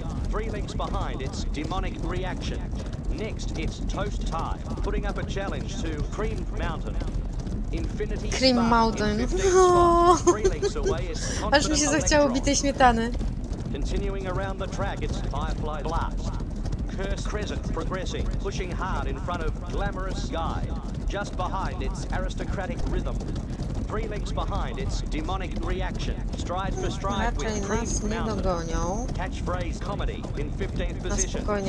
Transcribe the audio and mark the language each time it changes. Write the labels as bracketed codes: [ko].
[en] Three lengths behind, it's Demonic Reaction. Next, it's Toast Time, putting up a challenge to Cream Mountain. Cream Mountain. Oh. [pl] Aż mi się zachciało bitej śmietany. [en] Continuing around the track, it's Firefly Blast. Curse Crescent progressing, pushing hard in front of Glamorous Sky. Just behind, it's Aristocratic Rhythm. Three lengths behind, it's Demonic Reaction. Stride for stride with Cream Mountain. Catchphrase Comedy in 15th position.